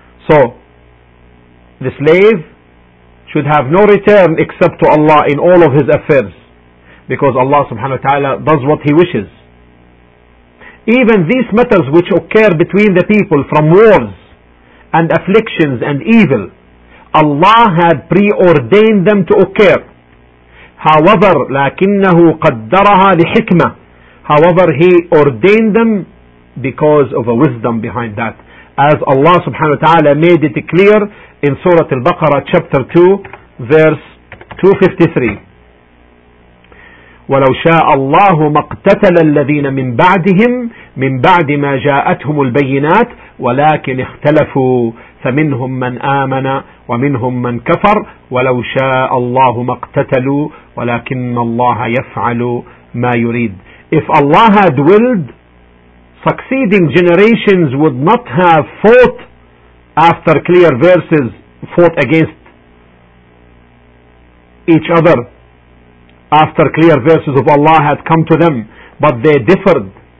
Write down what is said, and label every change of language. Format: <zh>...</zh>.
<en>So the slave should have no return except to Allah in all of his affairs, because Allah subhanahu wa ta'ala does what He wishes. Even these matters which occur between the people, from wars and afflictions and evil, Allah had preordained them to occur.</en> <ar>However, لكنه قدرها لحكمة.</ar> <en>However, He ordained them because of a wisdom behind that. As Allah subhanahu wa ta'ala made it clear in Surah Al-Baqarah, chapter 2, verse 253.</en> <ar>وَلَوْ شَاءَ اللَّهُ مَقْتَتَلَ الَّذِينَ مِنْ بَعْدِهِمْ من بعد ما جاءتهم البينات ولكن اختلفوا فمنهم من آمن ومنهم من كفر ولو شاء الله ما اقتتلوا ولكن الله يفعل ما يريد.</ar> <en>If Allah had willed, succeeding generations would not have fought after clear verses, fought against each other after clear verses of Allah had come to them, but they differed.</en>